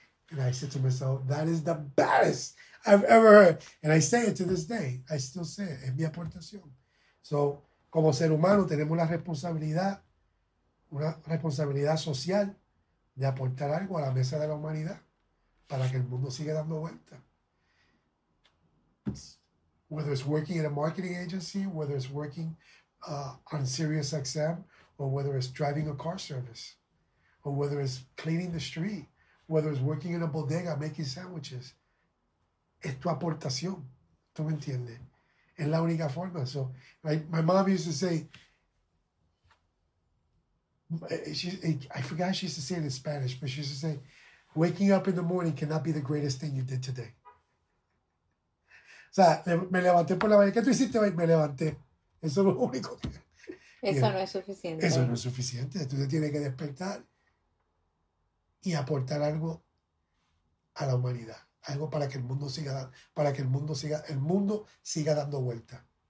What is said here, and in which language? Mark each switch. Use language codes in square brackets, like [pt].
[en] And I said to myself, that is the baddest I've ever heard. And I say it to this day. I still say it. [es] Es mi aportación. So, como ser humano, tenemos una responsabilidad social de aportar algo a la mesa de la humanidad para que el mundo siga dando vuelta. [en] Whether it's working in a marketing agency, whether it's working on Sirius XM, or whether it's driving a car service, or whether it's cleaning the street, whether it's working in a bodega, making sandwiches, [es] es tu aportación. ¿Tú me entiendes? Es la única forma. [en] So, my mom used to say, I forgot she used to say it in Spanish, but she used to say, Waking up in the morning cannot be the greatest thing you did today. [es] O sea, me levanté por la mañana. ¿Qué tú hiciste hoy? Me levanté. Eso es lo único que... Eso no es suficiente. Tú te tienes que despertar y aportar algo a la humanidad. Algo para que el mundo siga dando, para que el mundo siga dando vuelta.